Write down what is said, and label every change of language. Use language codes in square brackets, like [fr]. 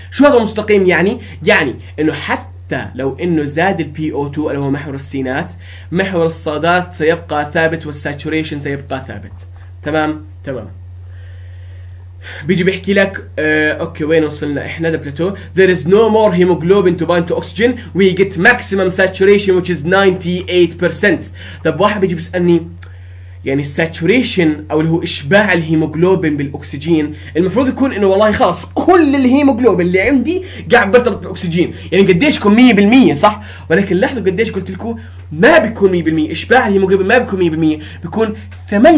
[ar] شو هذا المستقيم يعني؟ يعني أنه حتى لو أنه زاد الـ PO2 اللي هو محور السينات، محور الصادات سيبقى ثابت والساتوريشن سيبقى ثابت. تمام؟ تمام. بيجي بيحكي لك اوكي وين وصلنا احنا دبلتو. [en] There is no more hemoglobin to bind to oxygen. We get maximum saturation which is 98%. [ar] طب واحد بيجي بيسألني يعني الساتوريشن او اللي هو اشباع الهيموجلوبين بالاكسجين المفروض يكون انه والله خلاص كل الهيموجلوبين اللي عندي قاعد برتبط بالاكسجين، يعني قديش يكون 100% صح؟ ولكن لاحظوا قديش قلت لكم ما بيكون 100%، اشباع الهيموجلوبين ما بيكون 100%، بيكون 98%.